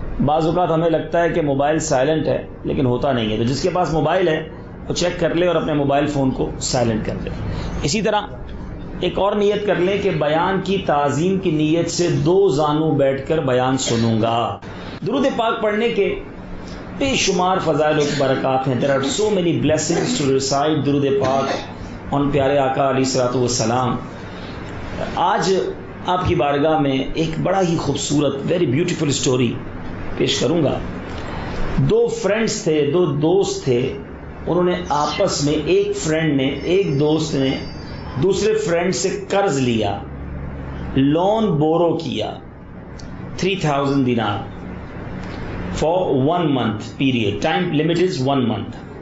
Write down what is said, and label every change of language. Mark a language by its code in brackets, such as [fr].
[ur] بعض اوقات ہمیں لگتا ہے کہ موبائل سائلنٹ ہے لیکن ہوتا نہیں ہے، تو جس کے پاس موبائل ہے وہ چیک کر لے اور اپنے موبائل فون کو سائلنٹ کر لے. اسی طرح ایک اور نیت کر لیں کہ بیان کی تعظیم کی نیت سے دو زانوں بیٹھ کر بیان سنوں گا. درود پاک پڑھنے کے بے شمار فضائل و برکات ہیں. [en] There are so many blessings to recite درود پاک on [ur] پیارے آقا علیہ الصلوۃ والسلام. آج آپ کی بارگاہ میں ایک بڑا ہی خوبصورت [en] very beautiful story [ur] پیش کروں گا. دو فرینڈس تھے، دو دوست تھے، انہوں نے آپس میں، ایک دوست نے دوسرے فرینڈ سے قرض لیا، لون بورو کیا 3000 دینار [en] For one month period, time limit is one month.